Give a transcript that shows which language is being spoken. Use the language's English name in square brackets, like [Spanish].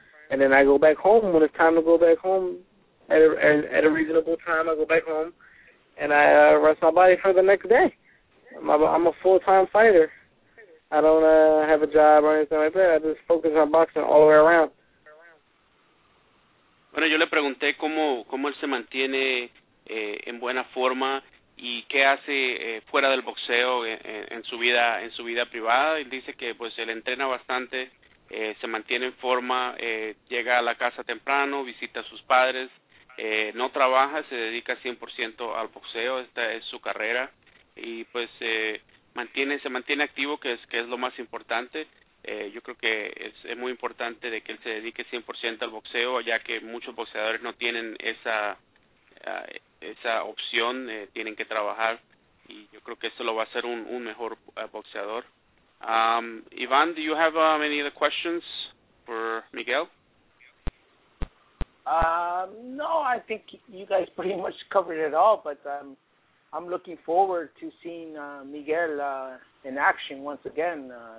[English] And then I go back home when it's time to go back home. At a reasonable time, I go back home, and I rest my body for the next day. I'm a full-time fighter. I don't have a job or anything like that. I just focus on boxing all the way around. [Spanish] Bueno, yo le pregunté cómo él se mantiene en buena forma y qué hace fuera del boxeo en su vida privada. Él dice que pues él entrena bastante. Se mantiene en forma, llega a la casa temprano, visita a sus padres, no trabaja, se dedica 100% al boxeo, esta es su carrera, y pues se mantiene activo, que es lo más importante. Yo creo que es muy importante de que él se dedique 100% al boxeo, ya que muchos boxeadores no tienen esa opción, tienen que trabajar, y yo creo que esto lo va a hacer un mejor boxeador. [English] Iván, do you have any other questions for Miguel? No, I think you guys pretty much covered it all, but I'm looking forward to seeing Miguel in action once again.